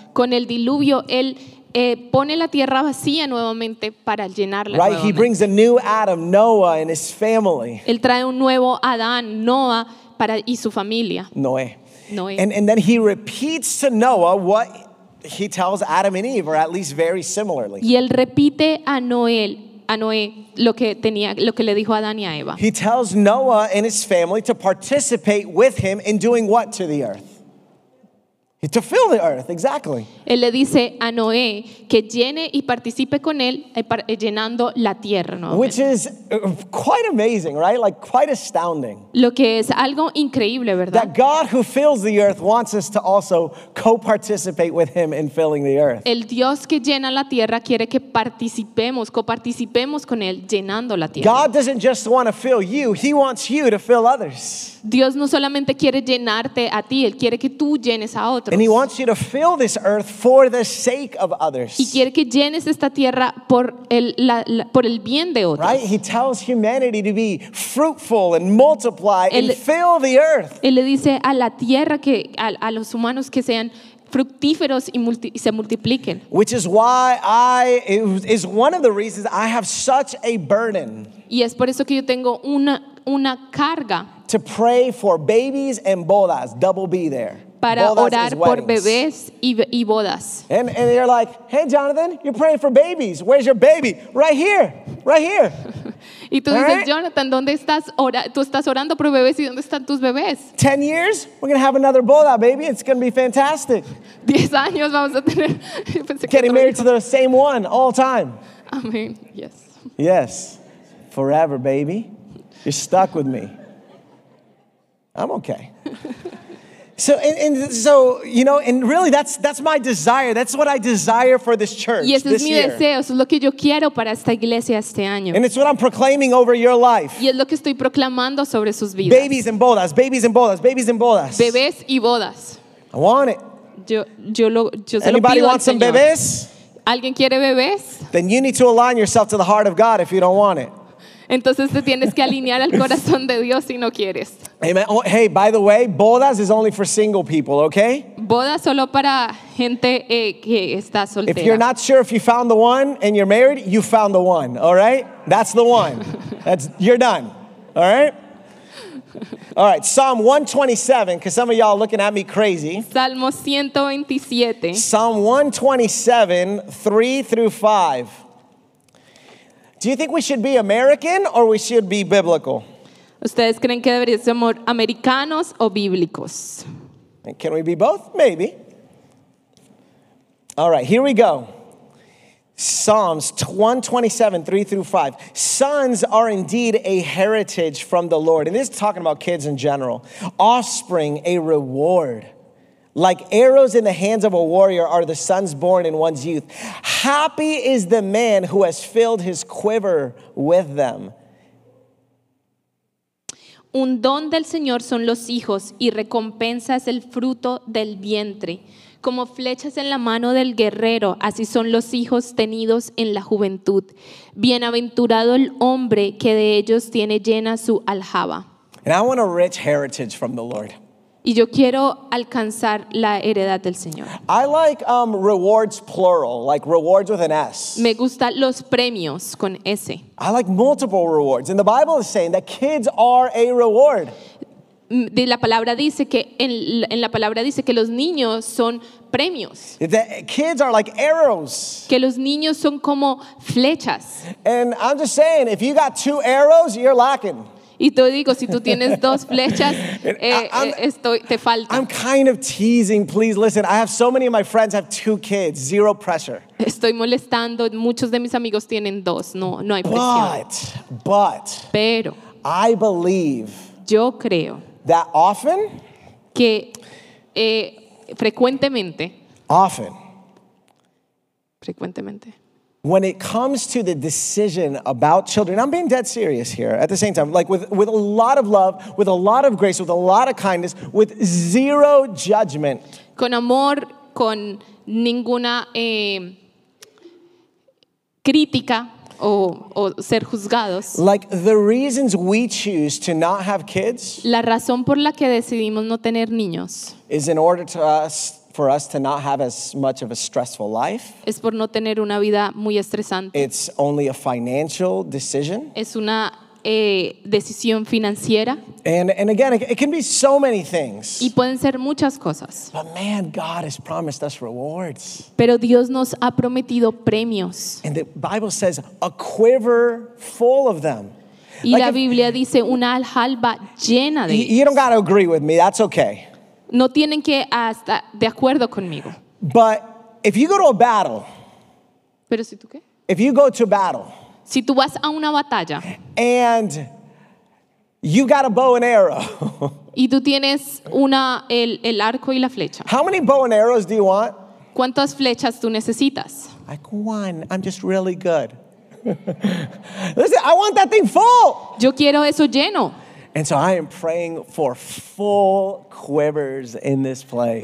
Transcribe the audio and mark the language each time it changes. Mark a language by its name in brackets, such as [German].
[Spanish] Con el diluvio, él pone la tierra vacía nuevamente para llenarla. [English] Right, [Spanish] nuevamente. [English] He brings a new Adam, Noah, and his family. [Spanish] Él trae un nuevo Adán, Noah, para y su familia. Noé. [English] And then he repeats to Noah what he tells Adam and Eve, or at least very similarly. [Spanish] Y él repite a Noé lo que tenía, lo que le dijo a Adán y a Eva. [English] He tells Noah and his family to participate with him in doing what to the earth? To fill the earth, exactly. [Spanish] Él le dice a Noé que llene y participe con él llenando la tierra, ¿no? [English] Which is quite amazing, right? Like quite astounding. [Spanish] Lo que es algo increíble, ¿verdad? [English] That God who fills the earth wants us to also co-participate with him in filling the earth. [Spanish] El Dios que llena la tierra quiere que participemos, coparticipemos con él llenando la tierra. [English] God doesn't just want to fill you, he wants you to fill others. [Spanish] Dios no solamente quiere llenarte a ti, él quiere que tú llenes a otros. [English] And he wants you to fill this earth for the sake of others. [Spanish] Y quiere que llenes esta tierra por el bien de otros. [English] Right? He tells humanity to be fruitful and multiply and fill the earth. [Spanish] Él le dice a la tierra que a los humanos que sean fructíferos y se multipliquen. [English] Which is why it is one of the reasons I have such a burden. [Spanish] Y es por eso que yo tengo una carga. [English] To pray for babies and bodas, double B there. [Spanish] Para orar por bebés y bodas. [English] And they're like, hey, Jonathan, you're praying for babies. Where's your baby? Right here. [Spanish] Y tú dices, right? Jonathan, ¿dónde estás? Tú estás orando por bebés y ¿dónde están tus bebés? [English] 10 years, we're going to have another boda, baby. It's going to be fantastic. [Spanish] 10 años vamos a tener. [English] Getting married to the same one all time. I mean, yes. Yes. Forever, baby. You're stuck with me. I'm okay. So and so you know, and really that's my desire. That's what I desire for this church. [Spanish] Y ese [English] this [Spanish] es mi deseo, [English] year. [Spanish] Eso es lo que yo quiero para esta iglesia este año. [English] And it's what I'm proclaiming over your life. [Spanish] Y es lo que estoy proclamando sobre sus vidas. [English] Babies and bodas, babies and bodas, babies and bodas. [Spanish] Bebés y bodas. [English] I want it. [Spanish] Yo se [English] anybody [Spanish] lo pido [English] want some [Spanish] Señor. Bebés? ¿Alguien quiere bebés? [English] Then you need to align yourself to the heart of God if you don't want it. [Spanish] Entonces te tienes que alinear al corazón de Dios si no quieres. [English] Amen. Oh, hey, by the way, bodas is only for single people, okay? [Spanish] Boda solo para gente que está soltera. [English] If you're not sure if you found the one and you're married, you found the one, all right? That's the one. That's, you're done, all right? All right, Psalm 127, because some of y'all are looking at me crazy. [Spanish] Salmo 127. [English] Psalm 127, 3 through 5. Do you think we should be American or we should be biblical? ¿Ustedes creen que deberíamos ser americanos o bíblicos? And can we be both? Maybe. All right, here we go. Psalms 127, 3 through 5. Sons are indeed a heritage from the Lord. And this is talking about kids in general. Offspring, a reward. Like arrows in the hands of a warrior are the sons born in one's youth. Happy is the man who has filled his quiver with them. [Spanish] Un don del Señor son los hijos, y recompensa es el fruto del vientre. Como flechas en la mano del guerrero, así son los hijos tenidos en la juventud. Bienaventurado el hombre que de ellos tiene llena su aljaba. [English] And I want a rich heritage from the Lord. [Spanish] Y yo quiero alcanzar la heredad del Señor. [English] I like rewards plural, like rewards with an S. [Spanish] Me gusta los premios con S. [English] I like multiple rewards. And the Bible is saying that kids are a reward. [Spanish] La palabra dice que en la palabra dice que los niños son premios. [English] The kids are like arrows. [Spanish] Que los niños son como flechas. [English] And I'm just saying, if you got two arrows, you're lacking. [Spanish] Y te digo, si tú tienes dos flechas, te falta. [English] I'm kind of teasing, please listen. I have so many of my friends have two kids, zero pressure. [Spanish] Estoy molestando, muchos de mis amigos tienen dos, no hay presión. [English] But, [Spanish] pero, [English] I believe, [Spanish] yo creo, [English] that often, [Spanish] que frecuentemente, [English] often, [Spanish] frecuentemente, [English] when it comes to the decision about children, I'm being dead serious here at the same time, like with a lot of love, with a lot of grace, with a lot of kindness, with zero judgment. [Spanish] Con amor, con ninguna crítica o ser juzgados. [English] Like the reasons we choose to not have kids, [Spanish] la razón por la que decidimos no tener niños, [English] is in order to us, for us to not have as much of a stressful life. [Spanish] Es por no tener una vida muy estresante. [English] It's only a financial decision. [Spanish] Es una decisión financiera. [English] And again, it can be so many things. [Spanish] Y pueden ser muchas cosas. [English] But man, God has promised us rewards. [Spanish] Pero Dios nos ha prometido premios. [English] And the Bible says a quiver full of them. [Spanish] Y like la Biblia dice una aljaba llena de. [English] You don't got to agree with me. That's okay. [Spanish] No tienen que estar de acuerdo conmigo. [English] But if you go to a battle. [Spanish] ¿Pero si tú qué? [English] If you go to battle. [Spanish] Si tú vas a una batalla. [English] And you got a bow and arrow. [Spanish] Y tú tienes una el arco y la flecha. [English] How many bow and arrows do you want? [Spanish] ¿Cuántas flechas tú necesitas? [English] Like one. I'm just really good. Listen, I want that thing full. [Spanish] Yo quiero eso lleno. [English] And so I am praying for full quivers in this place.